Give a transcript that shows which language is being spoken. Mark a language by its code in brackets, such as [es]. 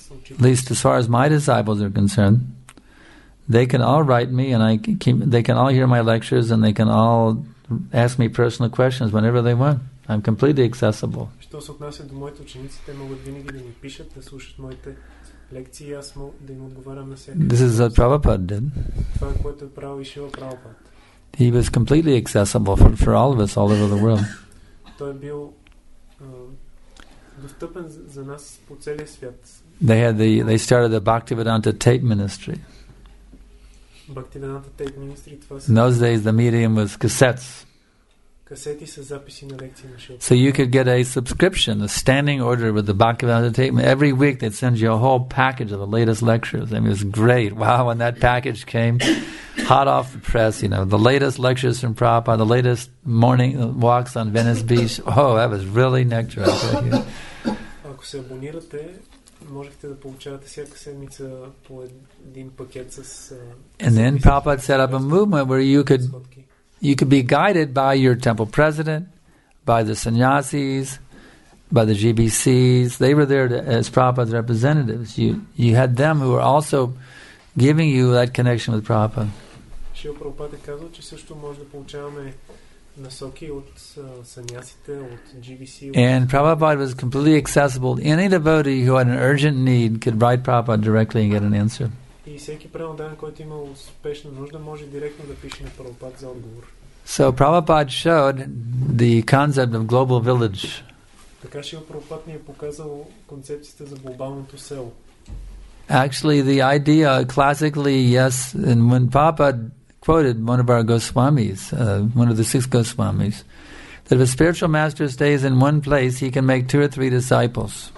[en] At least as far as my disciples are concerned, they can all write me and they can all hear my lectures and they can all ask me personal questions whenever they want. I'm completely accessible. [bg] Що се отнася до моите ученици, те могат винаги да ми пишат, да слушат моите лекции, аз мога да им отговарям на всеки. [en] This is what Prabhupada did. [bg] Това е което прави и Шрила Прабхупада. [en] He was completely accessible for all of us all over the world. [bg] Той бил достъпен за нас по целия свят. [en] They started the Bhaktivedanta tape ministry. [bg] Bhaktivedanta tape ministry, това са. [en] In those days the medium was cassettes. [bg] Касети с записи на лекции на Шрила. [en] So you could get a subscription, a standing order with the Bhaktivedanta tape. Every week they'd send you a whole package of the latest lectures. I mean, it was great. Wow, when that package came hot off the press, you know, the latest lectures from Prabhupada, the latest morning walks on Venice Beach. Oh, that was really nectar. [bg] Ако се абонирате, можехте да получавате всяка седмица по един пакет с. [en] And then Prabhupada set up a movement where you could be guided by your temple president, by the sannyasis, by the GBCs. They were there as Prabhupada's representatives. You had them who were also giving you that connection with Prabhupada. [bg] Шрила Прабхупада казва, че също може да получаваме насоки от сънясите, от GBC. [en] And Prabhupada was completely accessible. Any devotee who had an urgent need could write Prabhupada directly and get an answer. [bg] И всеки преданник, който има спешна нужда, може директно да пише на Прабхупада за отговор. [en] So Prabhupada showed the concept of global village. [bg] Така Шрила Прабхупада ни е показал концепцията за глобалното село. [en] Actually, the idea classically, yes, and when Prabhupada quoted one of our Goswamis, one of the six Goswamis, that if a spiritual master stays in one place, he can make two or three disciples.